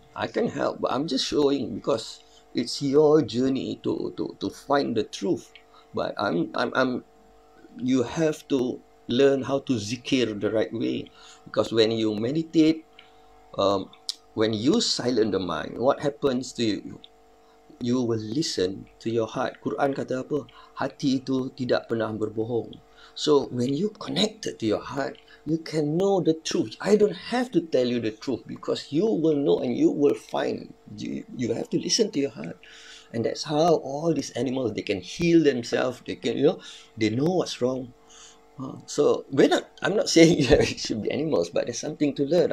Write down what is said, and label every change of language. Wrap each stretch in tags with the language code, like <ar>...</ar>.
<en>I can help, but I'm just showing because it's your journey to find the truth. But you have to learn how to zikir the right way. Because when you meditate, when you silence the mind, what happens to you? You will listen to your heart.</en> <ms>Quran kata apa? Hati itu tidak pernah berbohong.</ms> <en>So when you connected to your heart, you can know the truth. I don't have to tell you the truth because you will know and you will find. You have to listen to your heart. And that's how all these animals, they can heal themselves. They can, they know what's wrong. So I'm not saying you should be animals, but there's something to learn.</en>